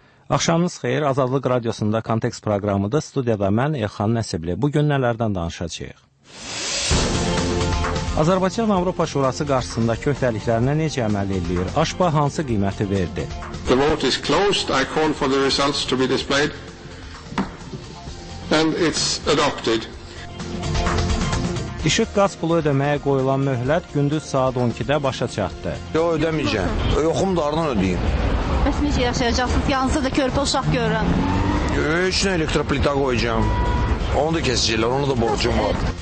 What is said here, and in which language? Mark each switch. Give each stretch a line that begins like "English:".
Azerbaijani: Axşamınız xeyir, Azadlıq Radiosunda Kontekst proqramıda studiyada mən, Elxan Nəsibli. Bugün nələrdən danışacaq? Azərbaycan-Avropa Şurası qarşısındakı öhdəliklərinə necə əməl edir? Aşpa hansı qiyməti verdi?
English: The vote is closed. I call for the results to be displayed. And it's adopted.
Azerbaijani: İşıq qaz pulu ödəməyə qoyulan möhlət gündüz saat 12-də başa çatdı. Yox, ödəməyəcəm. Yoxum darından ödəyim. Bəs necə yaşayacaqsınız? Yalnızca da körpə uşaq görürəm. Heç nə elektroplita qoyacağım. Onu da kəsəcəklər, onu da borcum var.